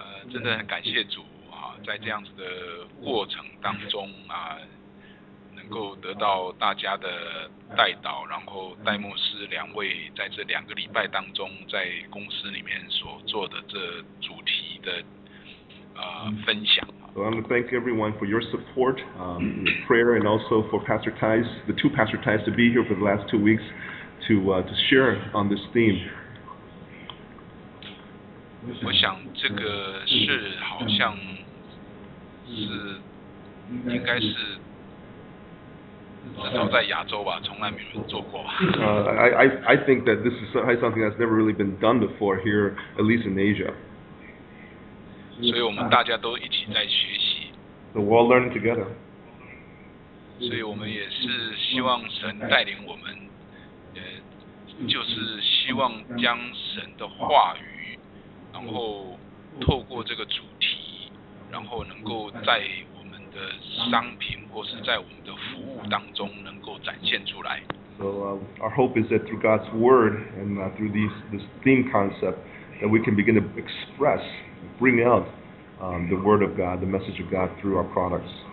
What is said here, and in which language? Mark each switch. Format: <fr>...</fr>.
<zh>真的很感谢主在这样子的过程当中能够得到大家的带导，然后戴牧师两位在这两个礼拜当中在公司里面所做的这主题的分享。</zh> <en>So I want to thank everyone for your support, prayer, and also for Pastor Tai's, the two Pastor Tai's to be here for the last 2 weeks to share on this theme.</en> <zh>我想这个是好像是应该是至少在亚洲吧，从来没有人做过吧。</zh> <en>I think that this is something that's never really been done before here, at least in Asia.</en> <zh>所以我们大家都一起在学习。</zh> <en>So we're all learning together.</en> <zh>所以我们也是希望神带领我们，就是希望将神的话语。然后透过这个主题，然后能够在我们的商品或是在我们的服务当中能够展现出来。</zh> <en>So our hope is that through God's word and through this theme concept that we can begin to express, bring out the word of God, the message of God through our products.</en>